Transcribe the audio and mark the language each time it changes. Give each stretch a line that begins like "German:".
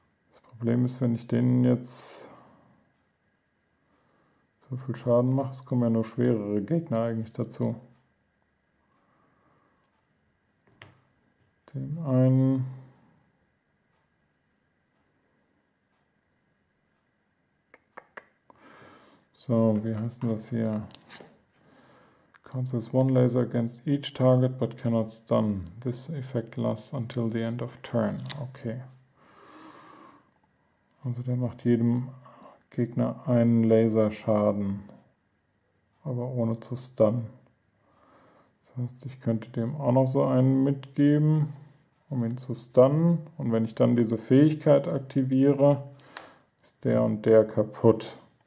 German: Das Problem ist, wenn ich denen jetzt so viel Schaden mache, es kommen ja nur schwerere Gegner eigentlich dazu. Dem einen. So, wie heißt denn das hier?
English: Counts as one laser against each target, but cannot stun. This effect lasts until the end of turn. Okay.
German: Also der macht jedem Gegner einen Laserschaden, aber ohne zu stunnen. Das heißt, ich könnte dem auch noch so einen mitgeben, um ihn zu stunnen. Und wenn ich dann diese Fähigkeit aktiviere, ist der und der kaputt.